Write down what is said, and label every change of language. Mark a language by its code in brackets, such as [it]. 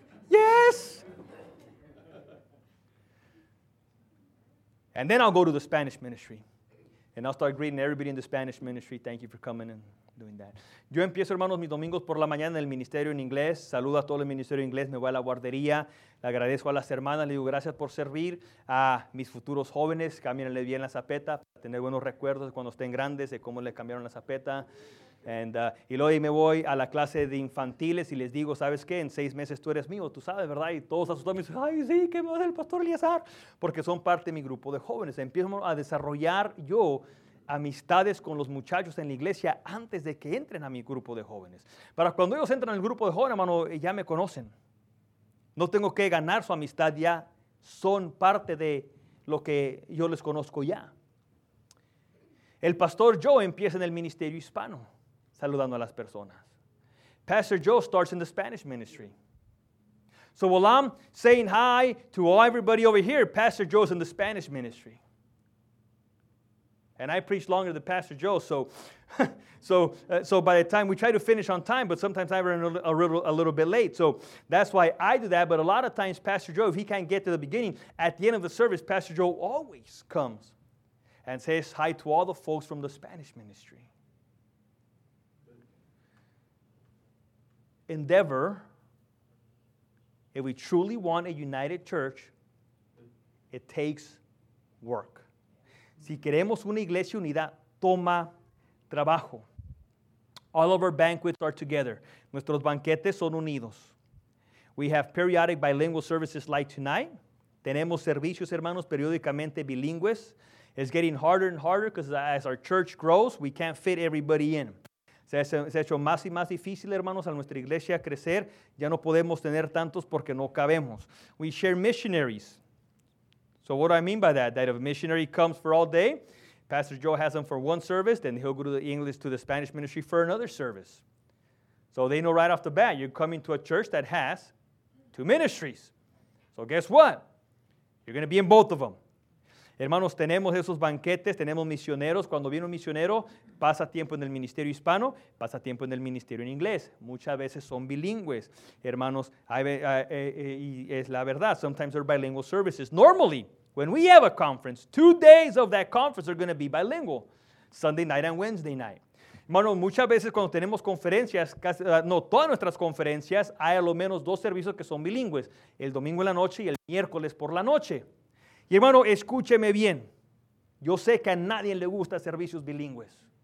[en] Yes. And then I'll go to the Spanish ministry. And I'll start greeting everybody in the Spanish ministry. Thank you for coming and doing that. [es] Yo empiezo, hermanos, mis domingos por la mañana en el ministerio en inglés. Saludo a todo el ministerio en inglés. Me voy a la guardería. Le agradezco a las hermanas. Le digo gracias por servir a mis futuros jóvenes. Cámbienle bien la zapeta para tener buenos recuerdos cuando estén grandes de cómo le cambiaron la zapeta. Y luego ahí me voy a la clase de infantiles y les digo, ¿sabes qué? En 6 meses tú eres mío, tú sabes, ¿verdad? Y todos asustados me dicen, ¡ay, sí, qué me va a hacer el pastor Eliazar! Porque son parte de mi grupo de jóvenes. Empiezo a desarrollar yo amistades con los muchachos en la iglesia antes de que entren a mi grupo de jóvenes. Para cuando ellos entran al grupo de jóvenes, hermano, ya me conocen. No tengo que ganar su amistad, ya son parte de lo que yo les conozco ya. El pastor Joe empieza en el ministerio hispano. Saludando a las personas. [en] Pastor Joe starts in the Spanish ministry. So while I'm saying hi to everybody over here, Pastor Joe's in the Spanish ministry. And I preach longer than Pastor Joe, so by the time we try to finish on time, but sometimes I run a little bit late. So that's why I do that. But a lot of times, Pastor Joe, if he can't get to the beginning, at the end of the service, Pastor Joe always comes and says hi to all the folks from the Spanish ministry. Endeavor, if we truly want a united church, it takes work. [es] Si queremos una iglesia unida, toma trabajo. [en] All of our banquets are together. [es] Nuestros banquetes son unidos. [en] We have periodic bilingual services like tonight. [es] Tenemos servicios, hermanos, periódicamente bilingües. [en] It's getting harder and harder because as our church grows, we can't fit everybody in. [es] Se ha hecho más y más difícil, hermanos, a nuestra iglesia crecer. Ya no podemos tener tantos porque no cabemos. [en] We share missionaries. So what do I mean by that? That if a missionary comes for all day, Pastor Joe has them for one service, then he'll go to the English to the Spanish ministry for another service. So they know right off the bat, you're coming to a church that has 2 ministries. So guess what? You're going to be in both of them. [es] Hermanos, tenemos esos banquetes, tenemos misioneros. Cuando viene un misionero, pasa tiempo en el ministerio hispano, pasa tiempo en el ministerio en inglés. Muchas veces son bilingües, hermanos, y es la verdad. [en] Sometimes they're bilingual services. Normally, when we have a conference, 2 days of that conference are going to be bilingual, Sunday night and Wednesday night. [es] Hermanos, muchas veces cuando tenemos conferencias, casi, no todas nuestras conferencias, hay al menos 2 servicios que son bilingües, el domingo en la noche y el miércoles por la noche. Y hermano, escúcheme bien. Yo sé que a nadie le gusta servicios bilingües.